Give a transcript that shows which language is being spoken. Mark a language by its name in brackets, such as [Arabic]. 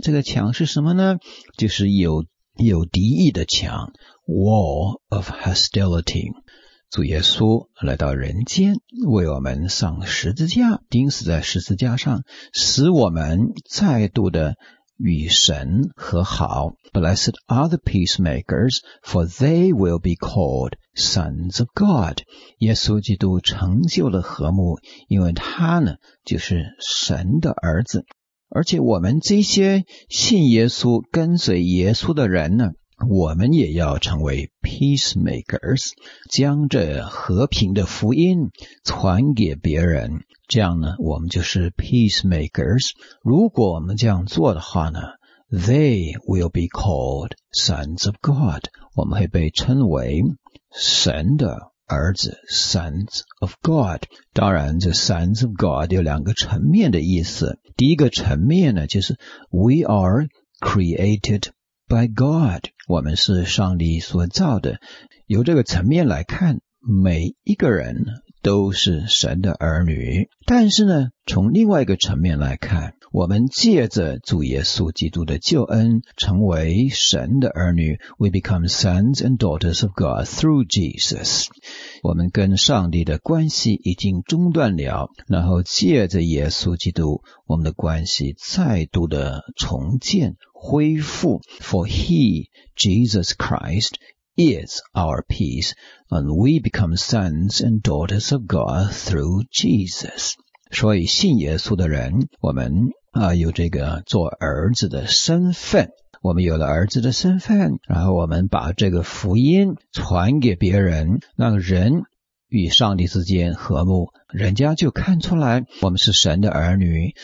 [Chinese] 这个墙是什么呢？就是有敌意的墙。 [English] Wall of hostility。 [Chinese] 主耶稣来到人间，为我们上十字架，钉死在十字架上，使我们再度的与神和好。 [English] Blessed are the peacemakers, for they will be called sons of God. [Chinese] 耶稣基督成就了和睦，因为他呢，就是神的儿子。而且我们这些信耶稣、跟随耶稣的人呢，我们也要成为 [English] peacemakers， [Chinese] 将这和平的福音传给别人。这样呢，我们就是 [English] peacemakers。 [Chinese] 如果我们这样做的话呢， [English] they will be called sons of God， [Chinese] 我们会被称为神的儿子， [English] sons of God。 [Chinese] 当然这 [English] sons of God [Chinese] 有两个层面的意思。第一个层面呢，就是 [English] we are created by God， [Chinese] 我们是上帝所造的。由这个层面来看，每一个人都是神的儿女。但是呢，从另外一个层面来看，我们借着主耶稣基督的救恩成为神的儿女。 [English] We become sons and daughters of God through Jesus。 [Chinese] 我们跟上帝的关系已经中断了，然后借着耶稣基督，我们的关系再度的重建恢复。 [English] For he, Jesus Christ,is our peace, and we become sons and daughters of God through Jesus. [Chinese] 所以信耶稣的人，我们有这个做儿子的身份，我们有了儿子的身份，然后我们把这个福音传给别人，让人与上帝之间和睦，人家就看出来我们是神的儿女。